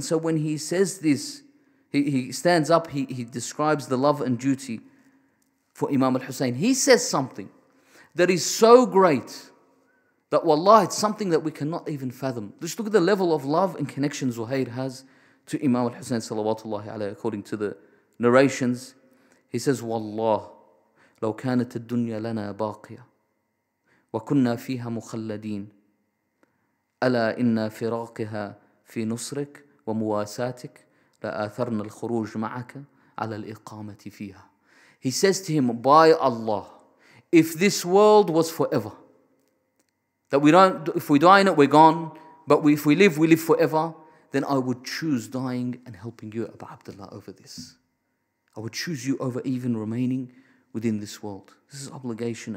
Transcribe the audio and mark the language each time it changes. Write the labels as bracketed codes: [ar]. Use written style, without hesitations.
[en] And so when he says this, he stands up, he describes the love and duty for Imam al-Hussein. He says something that is so great that wallah, it's something that we cannot even fathom. Just look at the level of love and connection Zuhair has to Imam al-Hussein [ar] salawatullahi alayhi, [en] according to the narrations. He says, [ar] wallah, لو كانت الدنيا لنا باقية وكنا فيها مخلدين ألا إن فراقها في نصرك ومواساتك لآثرنا الخروج معك على الإقامة فيها. [en] He says to him, by Allah, if this world was forever, that if we die in it, we're gone, but if we live, we live forever, then I would choose dying and helping you, Abu Abdullah, over this. I would choose you over even remaining within this world. This is obligation.